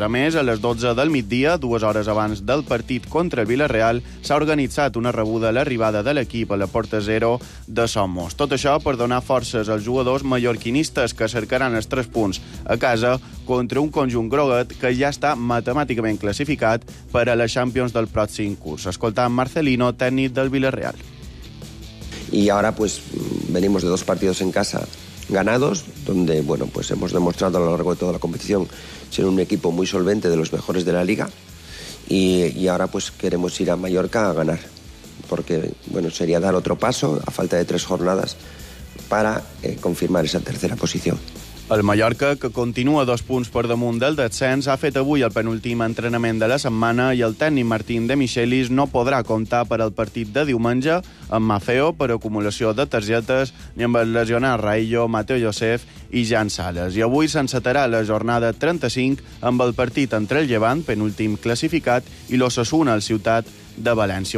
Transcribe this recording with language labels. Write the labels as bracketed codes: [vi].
[ca] A més, a les 12 del migdia, dues hores abans del partit contra el Villarreal, s'ha organitzat una rebuda a l'arribada de l'equip a la porta zero de Somos. Tot això per donar forces als jugadors mallorquinistes que cercaran els 3 punts a casa contra un conjunt groguet que ja està matemàticament classificat per a les Champions del pròxim curs. Escolta Marcelino, tècnic del Villarreal. [es] Y ahora pues venimos de 2 partidos en casa ganados, donde bueno, pues hemos demostrado a lo largo de toda la competición ser un equipo muy solvente, de los mejores de la liga, y ahora pues queremos ir a Mallorca a ganar, porque bueno, sería dar otro paso a falta de 3 jornadas para confirmar esa tercera posición. [ca] El Mallorca, que continua 2 punts per damunt del descens, ha fet avui el penúltim entrenament de la setmana, i el tècnic Martín de Michelis no podrà comptar per al partit de diumenge amb Mafeo per acumulació de targetes, ni amb el lesionat Raillo, Mateo Josef i Jan Sales. I avui s'encetarà la jornada 35 amb el partit entre el Llevant, penúltim classificat, i l'Osasuna al Ciutat de València.